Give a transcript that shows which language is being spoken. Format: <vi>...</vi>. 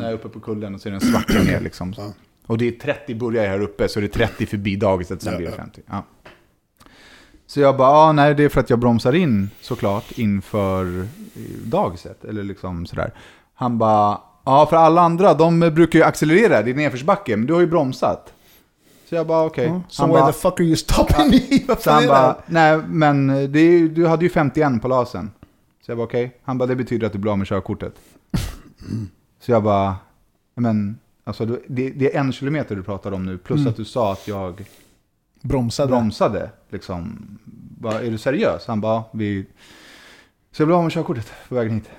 <sv>Ja, uppe på kullen och så är den svacka ner liksom. Ja. Och det är 30 börjar jag här uppe, så det är 30 förbi dagis sen blir det 50. Ja. Så jag bara, nej, det är för att jag bromsar in såklart inför dagiset. Eller liksom sådär. Han bara, ja, för alla andra, de brukar ju accelerera, det är nedförsbacke, men du har ju bromsat. Så jag bara, okej.</sv> <en>Okay. Mm. So why the fuck are you stopping me?</en> <sv>Så han bara, nej, men det är, du hade ju 51 på lasen. Så jag bara, okej. Okay. Han bara, det betyder att du blir av med körkortet. Så jag bara, men alltså, det är 1 kilometer du pratar om nu, plus att du sa att jag bromsade liksom. Bara, är du seriös? Han bara, så jag blir av med körkortet på vägen hit.</sv>